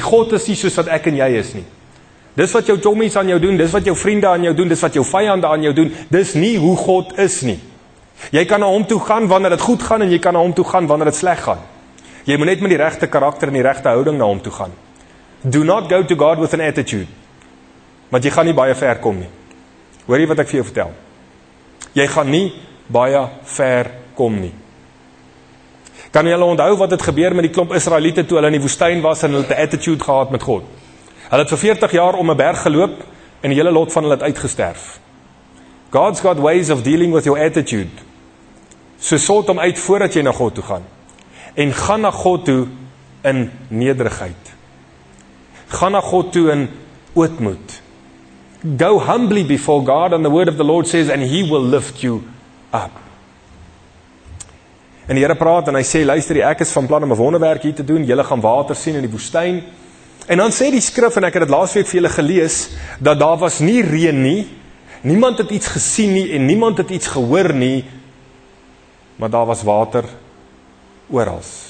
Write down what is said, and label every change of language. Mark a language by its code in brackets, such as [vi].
[af] God is nie soos wat ek en jy is nie. Dis wat jou chommies aan jou doen, dis wat jou vriende aan jou doen, dis wat jou vyande aan jou doen, dis nie hoe God is nie. Jy kan na hom toe gaan wanneer dit goed gaan en jy kan na hom toe gaan wanneer dit sleg gaan. Jy moet net met die regte karakter en die regte houding na hom toe gaan. [en] Do not go to God with an attitude. [af] Want jy gaan nie baie ver kom nie. Hoor jy wat ek vir jou vertel? Jy gaan nie baie ver kom nie. Kan jy onthou wat het gebeur met die klomp Israeliete toe hulle in die woestyn was en hulle het 'n attitude gehad met God? Hulle het vir 40 jaar om 'n berg geloop en die hele lot van hulle het uitgesterf. [en] God's got ways of dealing with your attitude. So sort hom uit voordat jy na God toe gaan. [af] En gaan na God toe in nederigheid. Gaan na God toe in ootmoed. [en] Go humbly before God, and the word of the Lord says, and he will lift you up. [af] En die Here praat en hy sê, luister, ek is van plan om 'n wonderwerk hier te doen, julle gaan water sien in die woestyn. En dan sê die skrif, en ek het dit laas week vir julle gelees, dat daar was nie reën nie, niemand het iets gesien nie, en niemand het iets gehoor nie, maar daar was water oral.